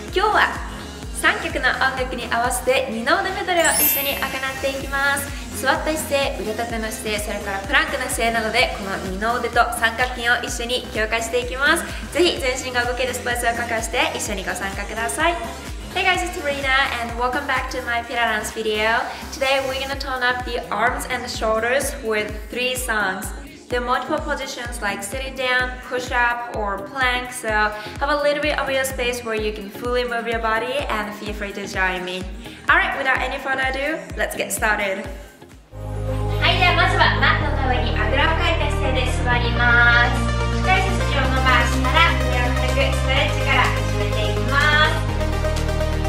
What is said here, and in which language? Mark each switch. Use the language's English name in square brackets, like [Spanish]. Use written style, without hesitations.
[Japanese] 今日は3曲の音楽に合わせて二の腕メドレーを一緒に行っていきます。座った姿勢、腕立ての姿勢、それからプランクの姿勢などでこの二の腕と三角筋を一緒に強化していきます。ぜひ全身が動けるスポーツを欠かして一緒にご参加ください。 [English] Hey guys, it's Rina and welcome back to my Pilates video. Today we're gonna tone up the arms and the shoulders with three songs. There are multiple positions like sitting down, push up or plank, so have a little bit of your space where you can fully move your body and feel free to join me. Alright, without any further ado, let's get started. [Japanese] はい、ではまずはマットの上にあぐらをかいた姿勢で座ります。深い背筋を伸ばしたら腕を軽くストレッチから始めていきます。